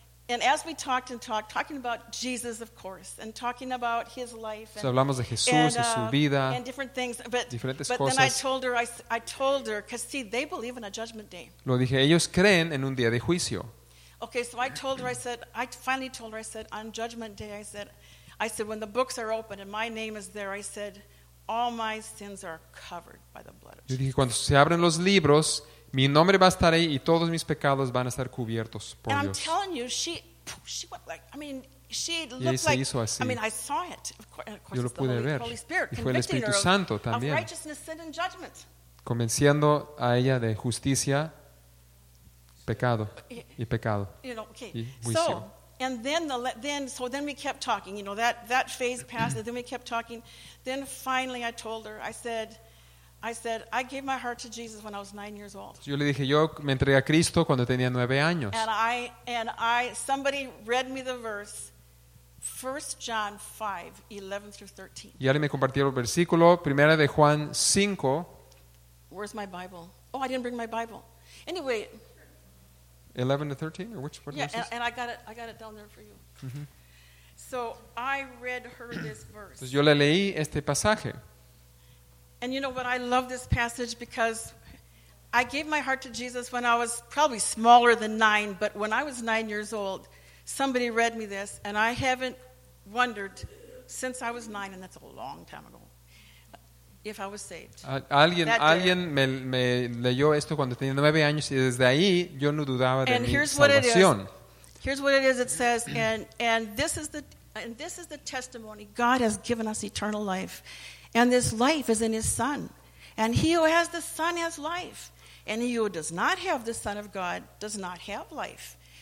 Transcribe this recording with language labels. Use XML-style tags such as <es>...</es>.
<en>And as we talked and talked, talking about Jesus, of course, and talking about his life.</en> <es>So hablamos de Jesús y su vida.</es> <en>And different things, but</en> <es>diferentes</es> <en>but</en> <es>cosas.</es> <en>Then I told her, because see, they believe in a judgment day.</en> <es>Lo dije, ellos creen en un día de juicio.</es> <en>Okay, so I told her, I finally told her, on Judgment Day, I said, when the books are open and my name is there, I said, all my sins are covered by the blood of Jesus.</en> <es>Yo dije, cuando se abren los libros, mi nombre va a estar ahí y todos mis pecados van a estar cubiertos por Dios.</es> <en>And I'm telling you, she went like, I mean, she looked like,</en> <es>hizo así.</es> <en>I mean, I saw it.</en> <es>Yo lo pude ver.</es> <en>Holy Spirit,</en> <es>y fue el Espíritu Santo también.</es> <en>Of righteousness, sin, and judgment.</en> <es>Convenciendo a ella de justicia, pecado y pecado.</es> <en>You know, okay. So, and then we kept talking. You know, that phase passed, and then we kept talking. Then finally I told her, I said, I gave my heart to Jesus when I was 9 years old.</en> <es>Yo le dije, yo me entregué a Cristo cuando tenía 9 años.</es> <en>And I, somebody read me the verse, 1 John 5:11-13.</en> <es>Y alguien me compartió el versículo, Primera de Juan 5.</es> <en>Where's my Bible? Oh, I didn't bring my Bible. Anyway. 11-13, or which verse? Yeah, and I got it down there for you. Mm-hmm. So I read her this verse.</en> <es>Entonces yo le leí este pasaje.</es> <en>And you know what, I love this passage because I gave my heart to Jesus when I was probably smaller than 9, but when I was 9 years old, somebody read me this, and I haven't wondered since I was 9, and that's a long time ago, if I was saved.</en> <es>Alguien me leyó esto cuando tenía 9 años, y desde ahí yo no dudaba de mi salvación.</es> <en>Here's what it is, it says, and this is the testimony, God has given us eternal life. And this life is in his Son. And he who has the Son has life. And he who does not have the Son of God does not have life.</en>